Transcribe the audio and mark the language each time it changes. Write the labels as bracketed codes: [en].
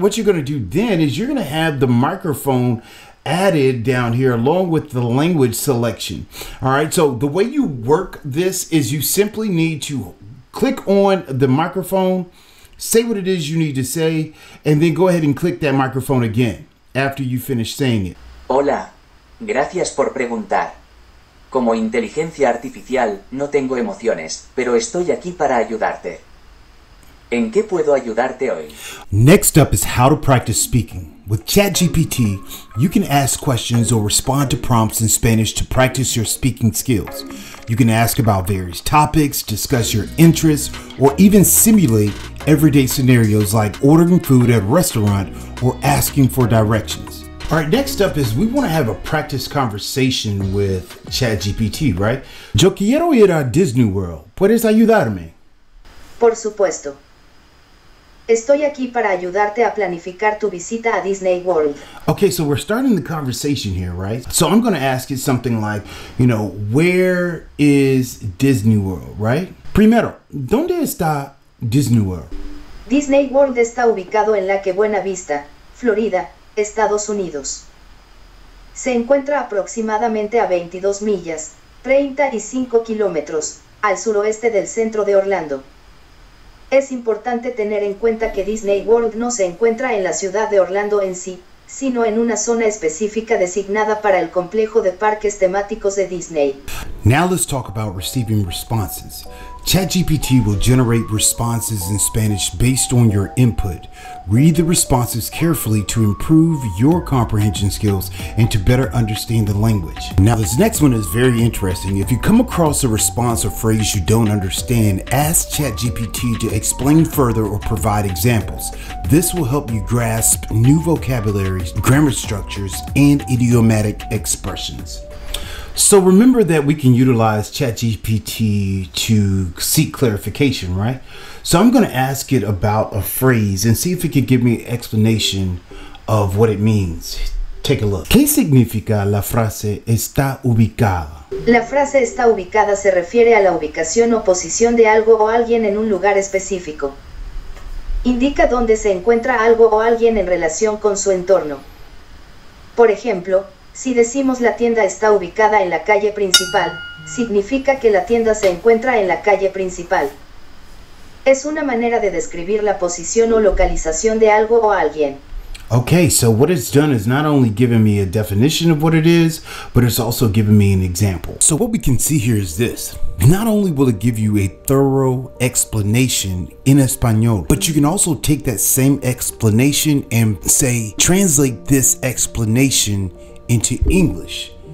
[en] What you're going to do then is you're going to have the microphone added down here along with the language selection. All right, so the way you work this is you simply need to click on the microphone, say what it is you need to say, and then go ahead and click that microphone again after you finish saying it. [es] Hola, gracias por preguntar. Como inteligencia artificial, no tengo emociones, pero estoy aquí para ayudarte. ¿En qué puedo ayudarte hoy? [en] Next up is how to practice speaking. With ChatGPT, you can ask questions or respond to prompts in Spanish to practice your speaking skills. You can ask about various topics, discuss your interests, or even simulate everyday scenarios like ordering food at a restaurant or asking for directions. All right, next up is we want to have a practice conversation with ChatGPT, right? [es] Yo quiero ir a Disney World. ¿Puedes ayudarme? Por supuesto. Estoy aquí para ayudarte a planificar tu visita a Disney World. [en] Okay, so we're starting the conversation here, right? So I'm going to ask you something like, you know, where is Disney World, right? [es] Primero, ¿dónde está Disney World? Disney World está ubicado en la que Buena Vista, Florida, Estados Unidos. Se encuentra aproximadamente a 22 millas, 35 kilómetros, al suroeste del centro de Orlando. Es importante tener en cuenta que Disney World no se encuentra en la ciudad de Orlando en sí, sino en una zona específica designada para el complejo de parques temáticos de Disney. [en] Now let's talk about receiving responses. ChatGPT will generate responses in Spanish based on your input. Read the responses carefully to improve your comprehension skills and to better understand the language. Now, this next one is very interesting. If you come across a response or phrase you don't understand, ask ChatGPT to explain further or provide examples. This will help you grasp new vocabularies, grammar structures, and idiomatic expressions. So remember that we can utilize ChatGPT to seek clarification, right? So I'm going to ask it about a phrase and see if it can give me an explanation of what it means. Take a look. [es] ¿Qué significa la frase está ubicada? La frase está ubicada se refiere a la ubicación o posición de algo o alguien en un lugar específico. Indica dónde se encuentra algo o alguien en relación con su entorno. Por ejemplo, si decimos la tienda está ubicada en la calle principal, significa que la tienda se encuentra en la calle principal. Es una manera de describir la posición o localización de algo o alguien. [en] Okay, so what it's done is not only given me a definition of what it is, but it's also given me an example. So what we can see here is this. Not only will it give you a thorough explanation in Espanol, but you can also take that same explanation and say, translate this explanation into English.